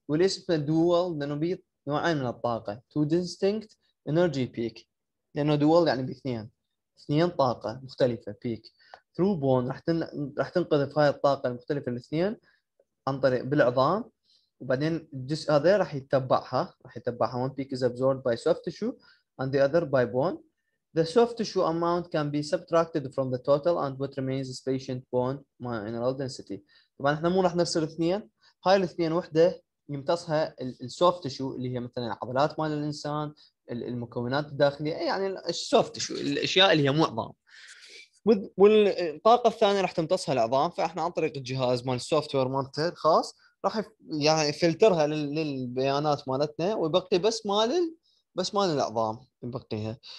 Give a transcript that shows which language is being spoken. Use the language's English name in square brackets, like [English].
[Arabic] والاسم dual لانه بي نوعين من الطاقه، [English] two distinct energy peak [Arabic] لانه dual يعني باثنين، اثنين طاقه مختلفه [English] peak through bone [Arabic] راح تنقذ في هاي الطاقه المختلفه الاثنين عن طريق بالعظام، وبعدين الجزء هذا راح يتبعها راح يتبعها. [English] one peak is absorbed by soft tissue and the other by bone. The soft tissue amount can be subtracted from the total and what remains is patient bone mineral density. [Arabic] طبعا احنا مو راح نفصل الاثنين، هاي الاثنين وحده يمتصها السوفت تشو اللي هي مثلا عضلات مال الانسان، المكونات الداخليه يعني السوفت تشو الاشياء اللي هي مو عظام، والطاقه الثانيه راح تمتصها العظام. فاحنا عن طريق الجهاز مال السوفت وير مالته الخاص راح يعني يفلترها للبيانات مالتنا ويبقي بس مال العظام يبقيها.